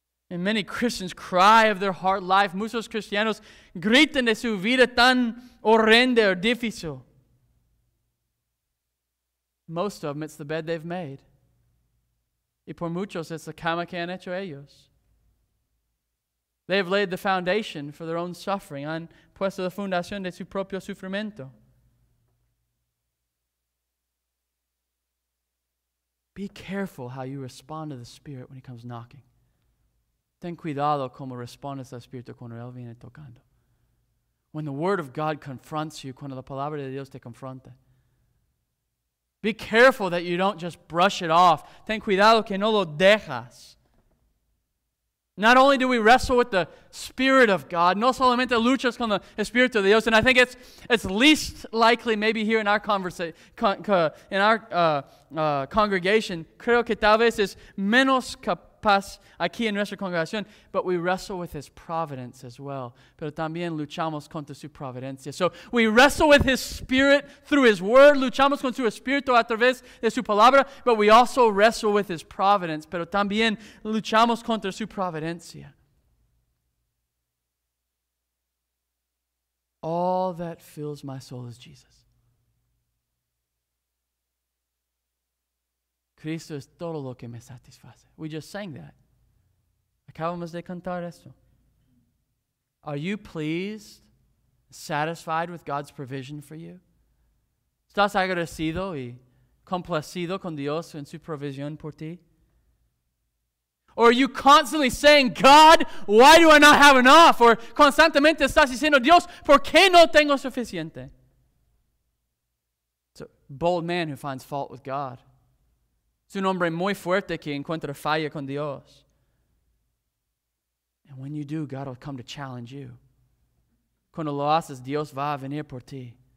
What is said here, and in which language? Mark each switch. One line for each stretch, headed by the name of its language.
English: And many Christians cry of their hard life.
Spanish: Muchos cristianos gritan de su vida tan horrenda o difícil.
English: Most of them, it's the bed they've made.
Spanish: Y por muchos,
English: it's the
Spanish: cama que han hecho ellos.
English: They have laid the foundation for their own suffering.
Spanish: Han puesto la fundación de su propio sufrimiento.
English: Be careful how you respond to the Spirit when He comes knocking.
Spanish: Ten cuidado como respondes al Espíritu cuando Él viene tocando.
English: When the Word of God confronts you,
Spanish: cuando la Palabra de Dios te confronta.
English: Be careful that you don't just brush it off.
Spanish: Ten cuidado que no lo dejas.
English: Not only do we wrestle with the Spirit of God,
Spanish: no solamente luchas con el Espíritu de Dios,
English: and I think it's least likely maybe here in our congregation,
Spanish: creo que tal vez es menos capaz aquí en nuestra congregación,
English: but we wrestle with His providence as well.
Spanish: Pero también luchamos contra su providencia.
English: So we wrestle with His Spirit through His Word.
Spanish: Luchamos con su Espíritu a través de su palabra.
English: But we also wrestle with His providence.
Spanish: Pero también luchamos contra su providencia.
English: All that fills my soul is Jesus.
Spanish: Cristo es todo lo que me satisface.
English: We just sang that.
Spanish: Acabamos de cantar esto.
English: Are you pleased, satisfied with God's provision for you?
Spanish: ¿Estás agradecido y complacido con Dios en su provisión por ti?
English: Or are you constantly saying, God, why do I not have enough?
Spanish: Or constantemente estás diciendo, Dios, ¿por qué no tengo suficiente?
English: It's a bold man who finds fault with God.
Spanish: Es un hombre muy fuerte que encuentra falla con Dios.
English: And when you do, God will come to challenge you.
Spanish: Cuando lo haces, Dios va a venir por ti.